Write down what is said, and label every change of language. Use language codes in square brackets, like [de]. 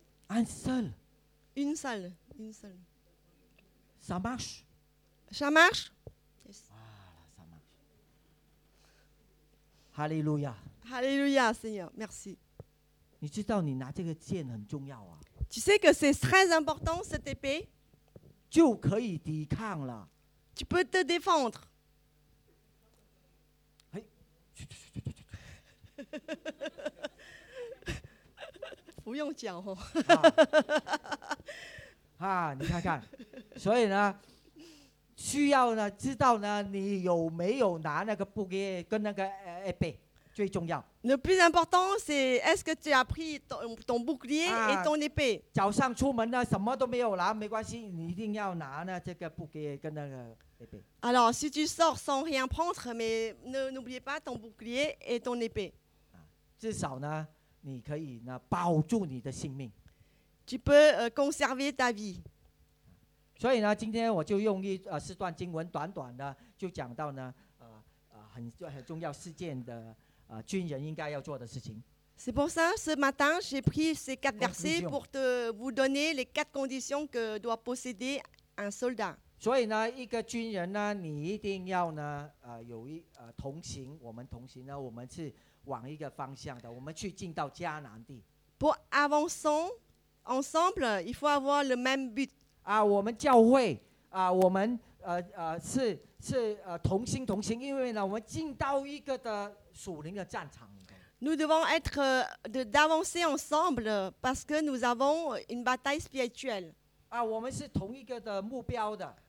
[fr] Une seule. Ça marche? [en] Yes. [fr] Voilà, ça marche. Hallelujah. Hallelujah, Seigneur, merci. [zh] 你知道你拿这个剑很重要啊。 [fr] Tu sais que c'est très important, cette épée? [zh] 就可以抵抗了。 [fr] Tu peux te défendre. [zh] 不用讲哦啊，你看看，所以呢，需要呢知道呢，你有没有拿那个布给跟那个épée最重要。 [fr] Le plus important c'est est-ce que tu as pris ton bouclier et ton épée？ [zh] 早上出门呢，什么都没有拿，没关系，你一定要拿呢这个布给跟那个。 [fr] Alors, si tu sors sans rien prendre, mais n'oublie pas ton bouclier et ton épée. [zh] 至少呢，你可以呢保住你的性命。 [fr] Tu peux conserver ta vie. [zh] 所以呢，今天我就用一四段经文，短短的就讲到呢，很重要事件的军人应该要做的事情。 [fr] C'est pour ça, ce matin, j'ai pris ces quatre versets pour vous donner les quatre conditions que doit posséder un soldat. [zh] 所以呢，一个军人呢，你一定要呢，有一同行，我们同行呢，我们是往一个方向的，我们去进到迦南地。 [fr] Pour avancer ensemble, il faut avoir le même but. [zh] 啊，我们教会啊，我们是同心，因为呢，我们进到一个的属灵的战场。 [fr] Nous devons être d'avancer ensemble parce que nous avons une bataille spirituelle. [zh] 啊，我们是同一个的目标的。